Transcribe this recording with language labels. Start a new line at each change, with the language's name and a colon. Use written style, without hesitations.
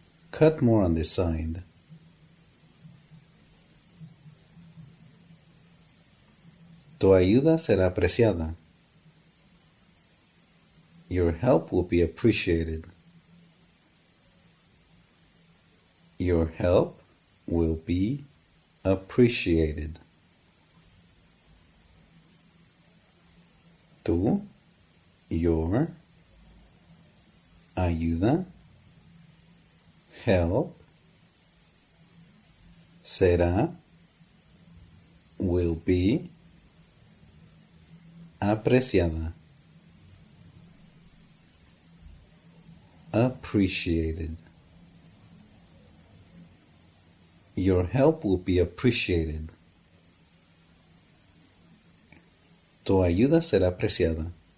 English: Cut more on this side.
Spanish: Tu ayuda será apreciada.
English: Your help will be appreciated. Your help will be appreciated.
Spanish: Tu,
English: your,
Spanish: ayuda.
English: Help,
Spanish: será,
English: will be,
Spanish: apreciada,
English: appreciated. Your help will be appreciated.
Spanish: Tu ayuda será apreciada.